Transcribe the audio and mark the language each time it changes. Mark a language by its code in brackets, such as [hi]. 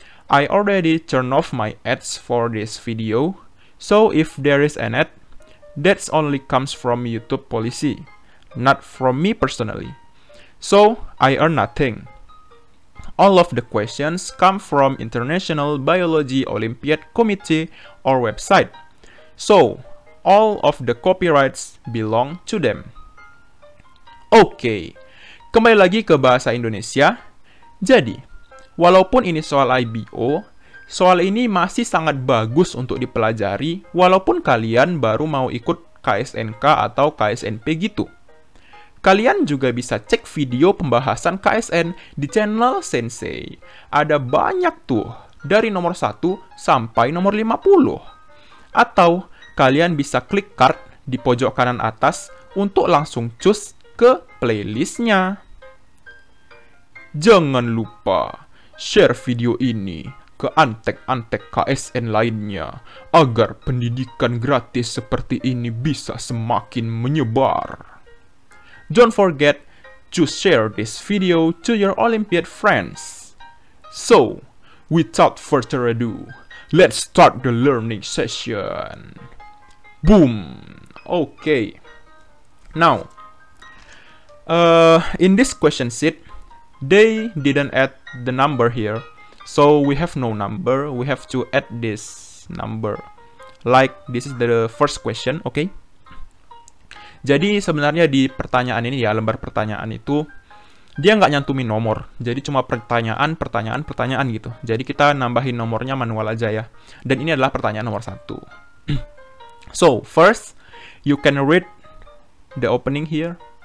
[en] I already turn off my ads for this video, so if there is an ad, that's only comes from YouTube policy, not from me personally. So I earn nothing. All of the questions come from International Biology Olympiad Committee or website. So all of the copyrights belong to them. [id] Okay, kembali lagi ke bahasa Indonesia. Jadi, walaupun ini soal IBO, soal ini masih sangat bagus untuk dipelajari walaupun kalian baru mau ikut KSNK atau KSNP gitu. Kalian juga bisa cek video pembahasan KSN di channel Sensei. Ada banyak tuh, dari nomor 1 sampai nomor 50. Atau kalian bisa klik card di pojok kanan atas untuk langsung cus ke playlistnya. Jangan lupa share video ini ke antek-antek KSN lainnya agar pendidikan gratis seperti ini bisa semakin menyebar. [en] Don't forget to share this video to your Olympiad friends. So, without further ado, let's start the learning session. Boom. Okay. Now, in this question sheet, they didn't add the number here. So we have no number. We have to add this number. Like this is the first question, okay? [id] Jadi sebenarnya di pertanyaan ini ya, lembar pertanyaan itu dia nggak nyantumin nomor. Jadi cuma pertanyaan, pertanyaan, pertanyaan gitu. Jadi kita nambahin nomornya manual aja ya. Dan ini adalah pertanyaan nomor 1. [en] So, first, you can read the opening here.